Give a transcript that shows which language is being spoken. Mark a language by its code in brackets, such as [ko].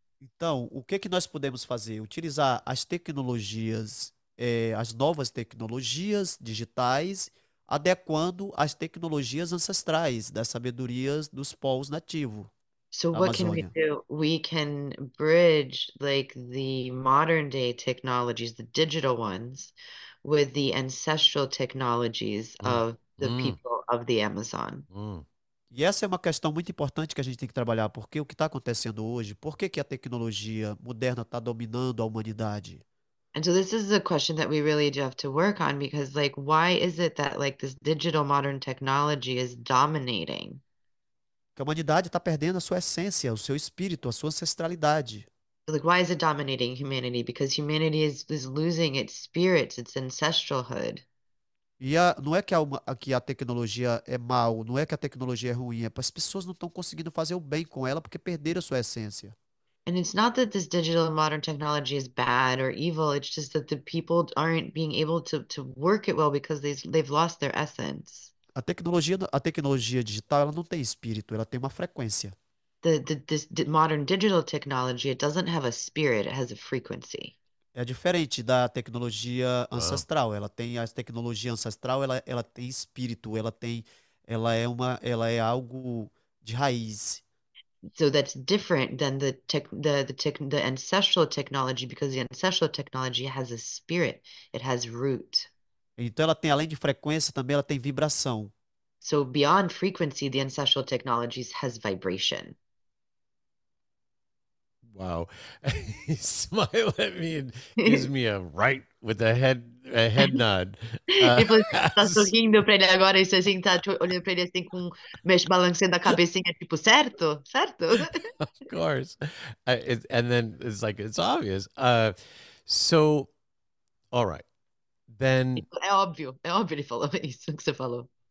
[pt] Então, o que que nós podemos fazer? Utilizar as tecnologias, as novas tecnologias digitais, adequando às tecnologias ancestrais das sabedorias dos povos nativos [en] So [pt] da [en] what can we [pt] Amazônia. [en] do? We can bridge like the modern day technologies, the digital ones, with the ancestral technologies of the people of the Amazon. [pt] E essa é uma questão muito importante que a gente tem que trabalhar, porque o que está acontecendo hoje, por que que a tecnologia moderna está dominando a humanidade? [en] And so this is a question that we really do have to work on because, like, why is it that, like, this digital modern technology is dominating? [pt] Que a humanidade está perdendo a sua essência, o seu espírito, a sua ancestralidade. [en] Like, why is it dominating humanity? Because humanity is losing its spirit, its ancestralhood. [pt] E a, não é que a tecnologia é mau, não é que a tecnologia é ruim, é que as pessoas não estão conseguindo fazer o bem com ela porque perderam a sua essência. [en] And it's not that this digital modern technology is bad or evil, it's just that the people aren't being able to work it well because they've lost their essence. [pt] A tecnologia digital, ela não tem espírito, ela tem uma frequência. [en] The modern digital technology, it doesn't have a spirit, it has a frequency. [pt] É diferente da tecnologia [en] Wow. [pt] ancestral. Ela tem a tecnologia ancestral, ela tem espírito, ela é algo de raiz. [en] So that's different than the ancestral technology because the ancestral technology has a spirit, it has root. [pt] Então ela tem, além de frequência, também ela tem vibração. [en] So beyond frequency, the ancestral technologies has vibration. Wow. He smiled at me and gives me a right with a head nod. [pt] E você tá sorrindo para ele agora, e você assim, tá olhando para ele assim com mexe balançando a cabecinha, tipo, certo? Certo? [en] Of course. And then it's like, it's obvious. So, all right. Then, [pt] É óbvio, ele falou isso que você falou.